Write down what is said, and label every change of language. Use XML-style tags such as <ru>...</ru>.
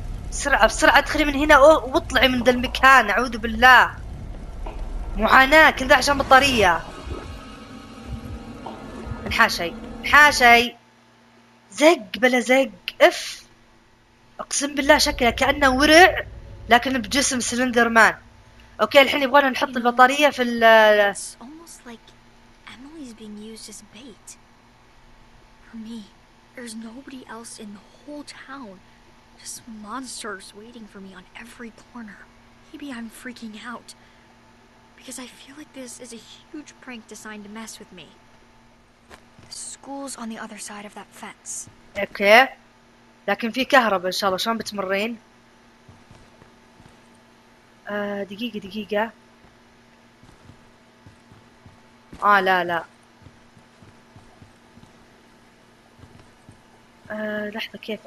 <ar>بسرعه بسرعه ادخلي من هنا واطلعي من ذا المكان، اعوذ بالله. معاناه كل ذا عشان بطاريه. انحاشي انحاشي، زق بلا زق، اف اقسم بالله شكله كانه ورع لكن بجسم سلندر مان. اوكي الحين يبغانا نحط البطاريه في ال</ar> <en>almost like Emily's being used as bait for me. There's nobody else in the whole town, just monsters waiting for me on every corner. Maybe I'm freaking out because I feel like this is a huge prank designed to mess with me. The school's on the other side of that fence.</en> <ar>اوكي لكن في كهرباء ان شاء الله، شلون بتمرين؟ دقيقه دقيقه. لا لا لحظه كيف.</ar>